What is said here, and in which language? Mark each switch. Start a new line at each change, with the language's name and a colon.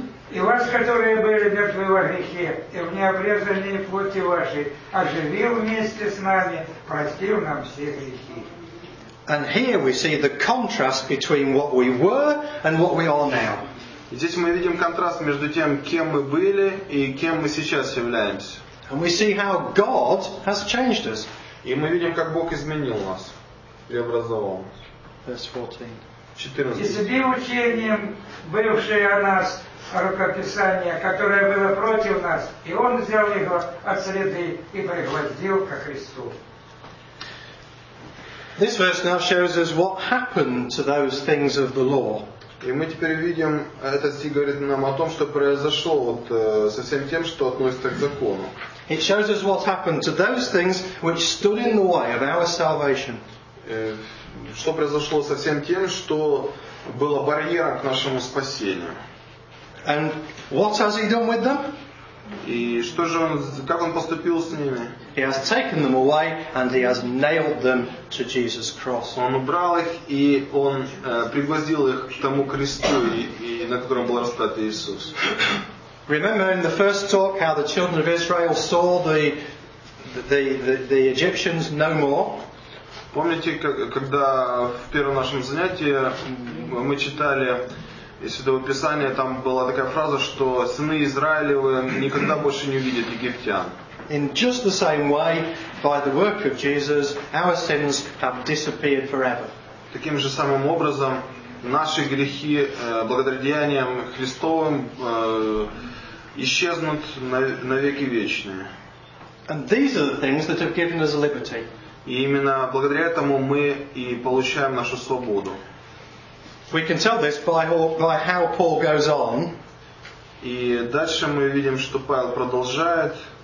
Russian: И вас, которые были мертвы во грехе и в необрезанной плоти вашей, оживил вместе с нами, простил нам все грехи.
English: And here we see the contrast between what we were and what we are now.
Russian: Здесь мы видим контраст между тем, кем мы были и кем мы сейчас являемся.
English: And we see how God has changed us.
Russian: И мы видим, как Бог изменил нас, преобразовал нас.
English: Verse 14.
Russian: И себе учением бывшее о нас рукописание, которое было против нас, и Он взял его от среды и пригвоздил ко Христу.
English: This verse now shows us what happened to those things of the law.
Russian: И мы теперь видим, этот стих говорит нам о том, что произошло вот со всем тем, что относится к закону.
English: It shows us what happened to those things which stood in the way of our salvation.
Russian: Что произошло со всем тем, что было барьером к нашему спасению.
English: And what has he done with them?
Russian: И что же он, как он поступил с ними?
English: He has taken them away and he has nailed them to Jesus' cross.
Russian: Он убрал их и он пригвоздил их к тому кресту, и на котором был распят Иисус.
English: Remember in the first talk how the children of Israel saw the Egyptians no more?
Russian: Помните, когда в первом нашем занятии мы читали из Святого Писания, там была такая фраза, что сыны Израилевы никогда больше не увидят египтян.
English: In just the same way, by the work of Jesus, our sins have disappeared forever.
Russian: Таким же самым образом, наши грехи, благодаря деяниям Христовым, исчезнут навеки вечные.
English: And these are the things that have given us liberty.
Russian: И именно благодаря этому мы и получаем нашу свободу.
English: We can tell this by how Paul goes on.
Russian: И дальше мы видим, что Павел продолжает.